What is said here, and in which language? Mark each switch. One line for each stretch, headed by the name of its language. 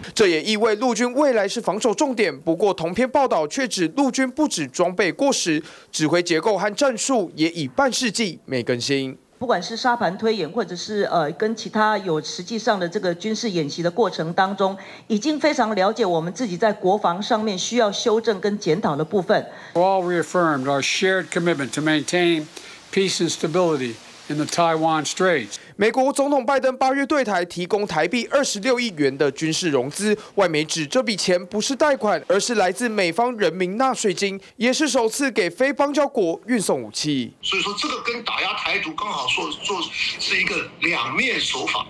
Chinese: 这也意味陆军未来是防守重点，不过同篇报道却指陆军不止装备过时，指挥结构和战术也已半世纪没更新。不管是沙盘推演，或者是跟其他有实际上的这个军事演习的过程当中，已经非常了解我们自己在国防上面需要修正跟检讨的部分。
English: We all reaffirmed our shared commitment to maintain peace and stability in the Taiwan Straits.
Chinese: 美国总统拜登八月对台提供台币26亿元的军事融资，外媒指这笔钱不是贷款，而是来自美方人民纳税金，也是首次给非邦交国运送武器。所以说，这个跟打压台独刚好做是一个两面手法。